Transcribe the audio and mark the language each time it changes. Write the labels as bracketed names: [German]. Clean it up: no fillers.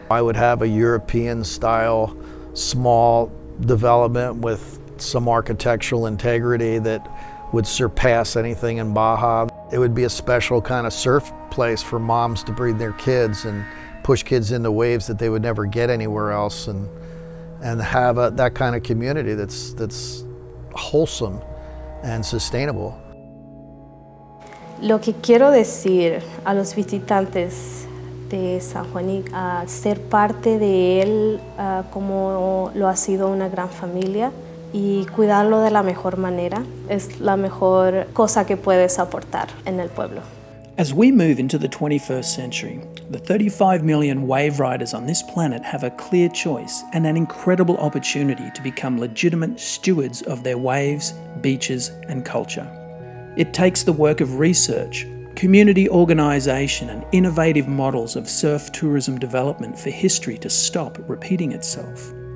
[English] I would have a European style, small development with some architectural integrity that would surpass anything in Baja. It would be a special kind of surf place for moms to bring their kids and push kids into waves that they would never get anywhere else, and have that kind of community that's wholesome and sustainable. [Spanish] Lo que quiero decir a los visitantes de San Juanico, ser parte de él como lo ha sido una gran familia y cuidarlo de la mejor manera es la mejor cosa que puedes aportar en el pueblo. [English] As we move into the 21st century, the 35 million wave riders on this planet have a clear choice and an incredible opportunity to become legitimate stewards of their waves, beaches, and culture. It takes the work of research, community organization, and innovative models of surf tourism development for history to stop repeating itself.